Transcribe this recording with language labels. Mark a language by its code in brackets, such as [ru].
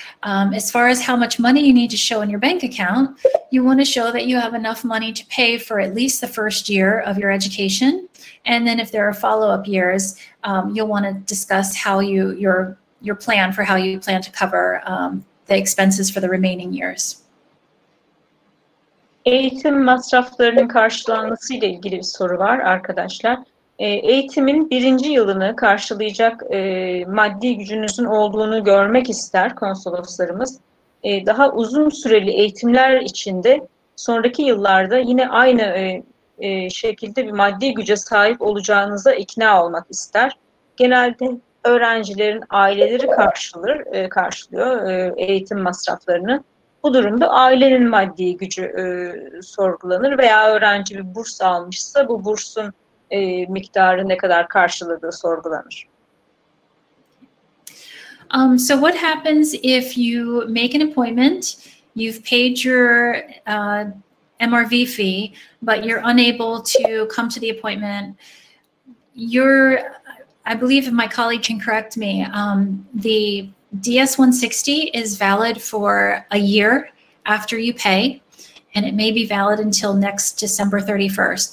[en] As far as how much money you need to show in your bank account, you want to show that you have enough money to pay for at least the first year of your education. And then if there are follow-up years, you'll want to discuss how you, your plan for how you plan to cover the expenses for the remaining years. [tr] Eğitim masraflarının karşılanmasıyla ilgili bir soru var arkadaşlar. Eğitimin birinci yılını karşılayacak maddi gücünüzün olduğunu görmek ister konsoloslarımız. Daha uzun süreli eğitimler içinde sonraki yıllarda yine aynı şekilde bir maddi güce sahip olacağınıza ikna olmak ister. Genelde öğrencilerin aileleri karşılıyor eğitim masraflarını. Bu durumda ailenin maddi gücü sorgulanır veya öğrenci bir burs almışsa bu bursun miktarı ne kadar karşıladığı sorgulanır. [en] So what happens if you make an appointment, you've paid your MRV fee, but you're unable to come to the appointment? I believe if my colleague can correct me, the DS-160 is valid for a year after you pay, and it may be valid until next December 31st.